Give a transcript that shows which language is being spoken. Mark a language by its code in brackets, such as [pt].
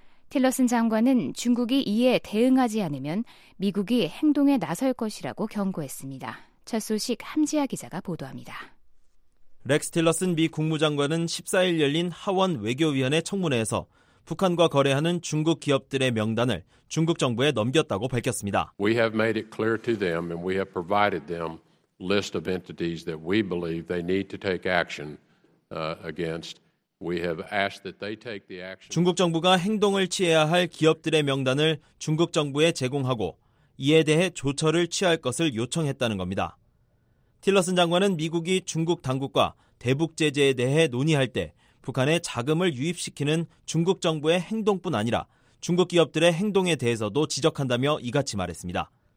[ko] 틸러슨 장관은 중국이 이에 대응하지 않으면 미국이 행동에 나설 것이라고 경고했습니다. 첫 소식 함지아 기자가 보도합니다. 렉스 틸러슨 미 국무장관은 14일 열린 하원 외교위원회 청문회에서 북한과 거래하는 중국 기업들의 명단을 중국 정부에 넘겼다고 밝혔습니다. [en] We have made it clear to them and we have provided them list of entities that we believe they need to take action against. We have asked that they take the action. [ko] 중국 정부가 행동을 취해야 할 기업들의 명단을 중국 정부에 제공하고 이에 대해 조처를 취할 것을 요청했다는 겁니다. 틸러슨 장관은 미국이 중국 당국과 대북 제재에 대해 논의할 때 북한에 자금을 유입시키는 중국 정부의 행동뿐 아니라 중국 기업들의 행동에 대해서도 지적한다며 이같이 말했습니다.